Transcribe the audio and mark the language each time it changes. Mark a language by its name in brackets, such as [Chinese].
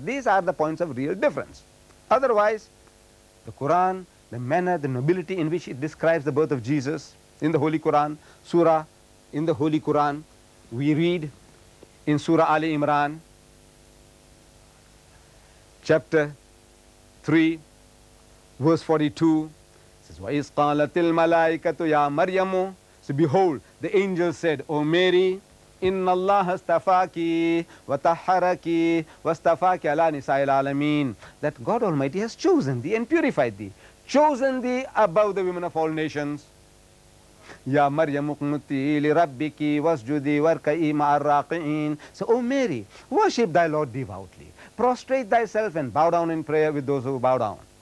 [English] These are the points of real difference. Otherwise, the Quran, the manner, the nobility in which it describes the birth of Jesus in the Holy Quran, Surah, in the Holy Quran, we read in Surah Ali Imran, chapter 3, verse 42, [Arabic] وَإِذْ قَالَتِ الْمَلَائِكَةُ يَا مَرْيَمُ. [English] So behold, the angel said, O Mary, [Arabic] إِنَّ اللَّهَ اصْطَفَاكِ وَطَهَّرَكِ وَاصْطَفَاكِ عَلَى نِسَاءِ الْعَالَمِينَ. [English] That God Almighty has chosen thee and purified thee, chosen thee above the women of all nations. [Arabic] يَا مَرْيَمُ قُنُتِي لِرَبِّكِ وَاسْجُدِي وَارْكَعِي مَعَ الرَّاكِعِينَ. [English] So, O Mary, worship thy Lord devoutly. Prostrate thyself and bow down in prayer with those who bow down.